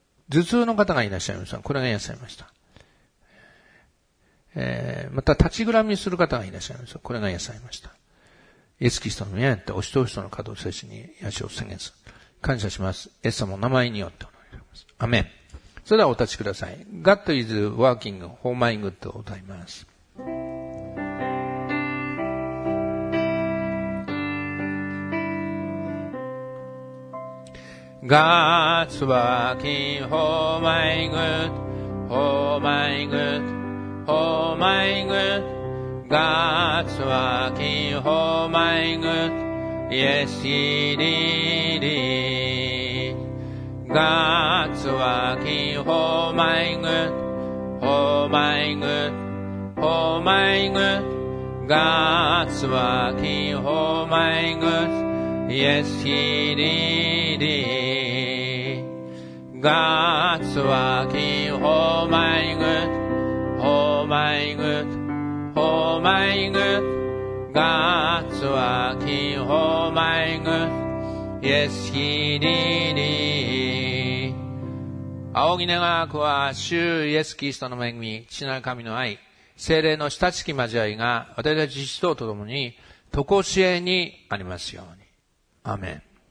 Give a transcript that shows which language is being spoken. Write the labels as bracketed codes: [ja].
[ja] 頭痛の方がいらっしゃいました。これが癒されました。また、立ちぐらみする方がいらっしゃいました。これが癒されました。イエスキリストの宮によって押し通しとの稼働を精神に癒しを宣言する。感謝します。イエス様の名前によってお願いします。アメン。それではお立ちください。 [en] God is working for my good [ja] を歌います。 [en] God's working for my good, for my good, for my good. God's working for my good, yes he did it. God's working for my good, for my good, for my good. God's working for my good, yes he did it. God's working for my good, for my good. For my good, God's working for my good, yes he did it. [ja] 仰ぎ願わくは主イエスキリストの恵み、父なる神の愛、聖霊の親しき交わりが私たち一同と共に、とこしえにありますように。アーメン。